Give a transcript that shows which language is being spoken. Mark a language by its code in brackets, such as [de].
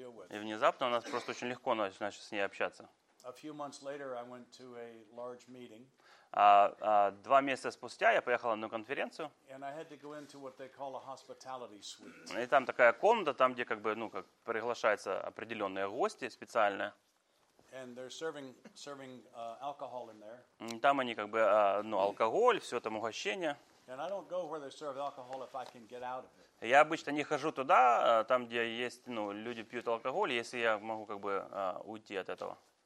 [ru] И внезапно у нас просто очень легко начали с ней общаться. [en] A few months later, I went to a large meeting. [ru] 2 месяца спустя я поехал на одну конференцию. [en] And I had to go into what they call a hospitality suite. [ru] И там такая комната, там где как приглашаются определенные гости специальные. [en] And they're serving alcohol in there. [ru] Там они алкоголь, все там угощение. [en] And I don't go where they serve alcohol if I can get out of it. [ru] Я обычно не хожу туда, там где есть люди пьют алкоголь, если я могу уйти от этого.